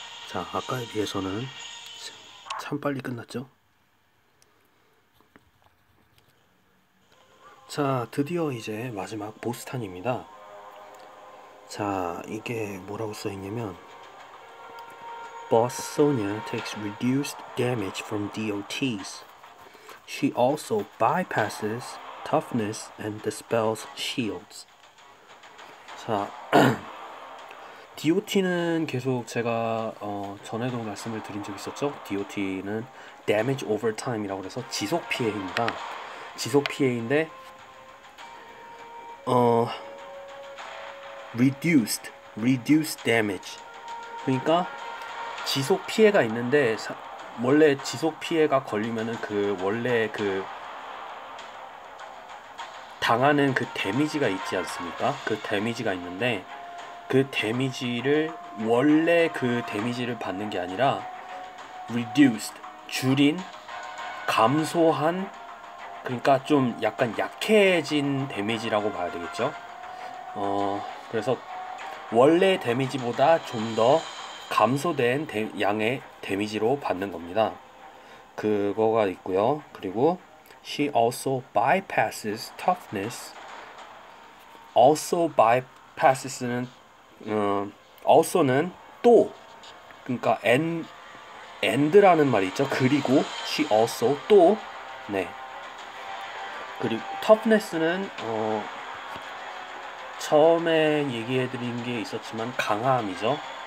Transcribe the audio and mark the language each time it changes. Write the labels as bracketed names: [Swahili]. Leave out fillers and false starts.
[Korean] 자, 아까에 비해서는 참 빨리 끝났죠? 자, 드디어 이제 마지막 보스탄입니다. 자, 이게 뭐라고 써있냐면 [English] Boss Sonya takes reduced damage from DOTs. She also bypasses toughness and dispels shields. [Korean] 자, DOT는 계속 제가 전에도 말씀을 드린 적 있었죠? DOT는 Damage Over Time이라고 해서 지속 피해입니다. 지속 피해인데 Reduced Damage. 그러니까 지속 피해가 있는데 원래 지속 피해가 걸리면은 그 원래 그 당하는 그 데미지가 있지 않습니까? 그 데미지가 있는데 그 데미지를 원래 그 데미지를 받는 게 아니라 reduced 줄인 감소한 그러니까 좀 약간 약해진 데미지라고 봐야 되겠죠? 그래서 원래 데미지보다 좀더 감소된 양의 데미지로 받는 겁니다. 그거가 있고요. 그리고 [English] she also bypasses toughness also bypasses [Korean] 는 also는 또 그러니까 and라는 말이 있죠. 그리고 [English] she also [Korean] 또 네. 그리고 toughness는 처음에 얘기해드린 게 있었지만 강함이죠.